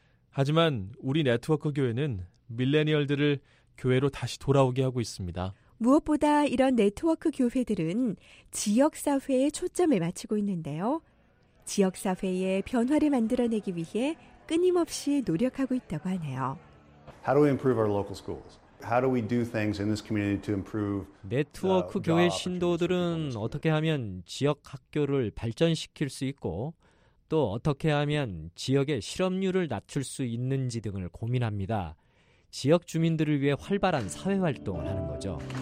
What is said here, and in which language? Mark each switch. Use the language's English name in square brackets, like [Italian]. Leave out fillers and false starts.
[Korean] 하지만 우리 네트워크 교회는 밀레니얼들을 교회로 다시 돌아오게 하고 있습니다. 무엇보다 이런 네트워크 교회들은 지역사회에 초점을 맞추고 있는데요. 지역사회의 변화를 만들어내기 위해 끊임없이 노력하고 있다고 하네요. [English] How do we improve our local schools? How do we do things in this community to improve? [Korean] 네트워크 교회 신도들은 어떻게 하면 지역 학교를 발전시킬 수 있고 또 어떻게 하면 지역의 실업률을 낮출 수 있는지 등을 고민합니다. 지역 주민들을 위해 활발한 사회 활동을 하는 거죠.